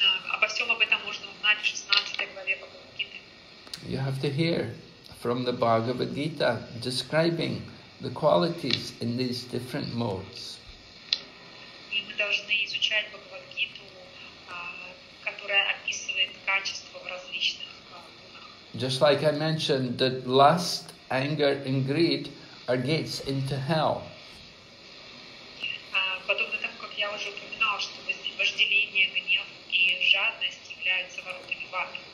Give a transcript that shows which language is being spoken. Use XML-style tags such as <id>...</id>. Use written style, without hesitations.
<ru>Обо всем об этом можно узнать в 16 главе Бхагавад Гиты.</ru> <en>You have to hear from the Bhagavad Gita describing the qualities in these different modes.</en> <ru>И мы должны изучать Бхагавад Гиту, которая описывает качества в различных гунах.</ru> <en>Just like I mentioned, that lust, anger and greed are gates into hell.</en> <ru>Подобно тому, как я уже упоминал, что вожделение, гнев и жадность являются воротами в ад.</ru>